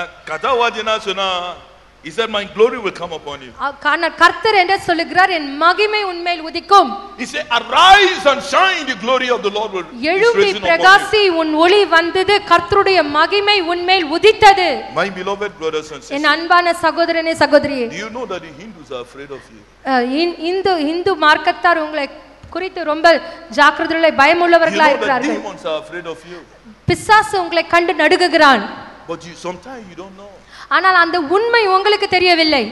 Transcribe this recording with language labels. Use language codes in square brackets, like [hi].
[ta] கதாவாதினா சொன்னா, [en] He said, "My glory will come upon you." [ta] கர்த்தர் கர்த்தர் என்று சொல்கிறார், என் மகிமை உன் மேல் உதிக்கும். [en] He said, "Arise and shine, the glory of the Lord will rise upon you." [ta] பிரகாசி உன் ஒளி வந்தது, கர்த்தருடைய மகிமை உன் மேல் உதித்தது. [en] My beloved brothers and sisters, [ta] என் அன்பான சகோதரனே சகோதரியே, [en] do you know that the Hindus are afraid of you? [ta] Hindu மார்க்கத்தார் உங்களை குறித்து ரொம்ப ஜாக்கிரதையுள்ள பயமுள்ளவர்களாக இருக்கிறார்கள். [en] You know that the demons are afraid of you. [ta] பிசாசு உங்களை கண்டு நடுங்குகிறான். [en] But you, sometimes you don't know. [ta] ஆனால் அந்த உண்மை உங்களுக்கு தெரியவில்லை.